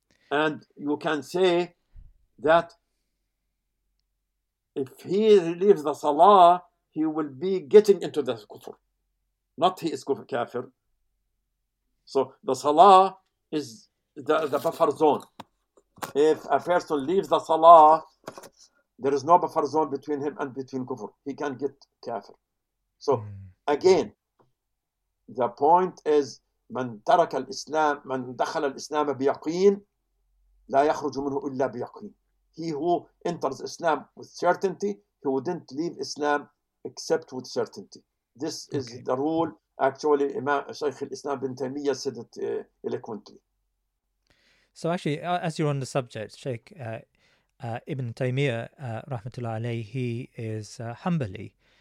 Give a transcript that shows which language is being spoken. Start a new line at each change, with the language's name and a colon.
English: And you can say that if he leaves the salah, he will be getting into the kufr. Not he is kafir. So the salah is the buffer zone. If a person leaves the salah, there is no buffer zone between him and between kufr. He can get kafir. So again, the point is
Arabic: من ترك الإسلام من دخل الإسلام بيقين لا يخرج منه إلا بيقين.
English: He who enters Islam with certainty, he wouldn't leave Islam except with certainty. This is okay. The rule. Actually, Imam Shaykh al-Islam bin Taymiyyah said it eloquently. So actually, as you're on the subject, Shaykh Ibn Taymiyyah, rahmatullah alayhi, he is Hanbali.